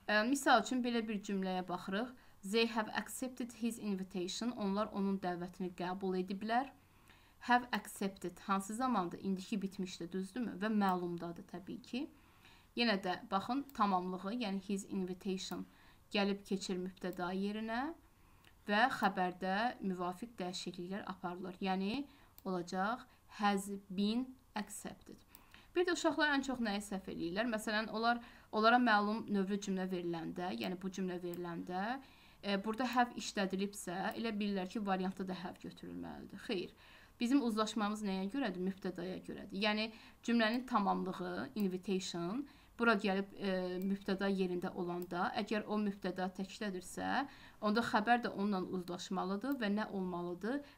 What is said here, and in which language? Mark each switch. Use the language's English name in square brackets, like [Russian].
[Azerbaijani] Misal üçün belə bir cümləyə baxırıq. [English] They have accepted his invitation. [Azerbaijani] Onlar onun dəvətini qəbul ediblər. have accepted hansı zamanda? İndiki bitmişdi, düzdürmü? Və məlumdadır təbii ki. Yenə də baxın, tamamlığı, yəni his invitation gəlib keçir mübtəda yerinə və xəbərdə müvafiq dəyişikliklər aparılır. Yəni, olacaq [English] has been accepted. [Azerbaijani] Bir də uşaqlar ən çox nəyi səhv edirlər? Məsələn, onlara məlum növrü cümlə veriləndə, yəni bu cümlə veriləndə, burada have işlədilibsə, elə bilirlər ki, variantda da have götürülməlidir. Xeyr, bizim uzlaşmamız nəyə görədir? Mübtədaya görədir. Yəni, cümlənin tamamlığı, invitation, bura gəlib mübtəda yerində olanda, əgər o mübtəda təkdədirsə, onda xəbər də onunla uzlaşmalıdır və nə olmalıdır?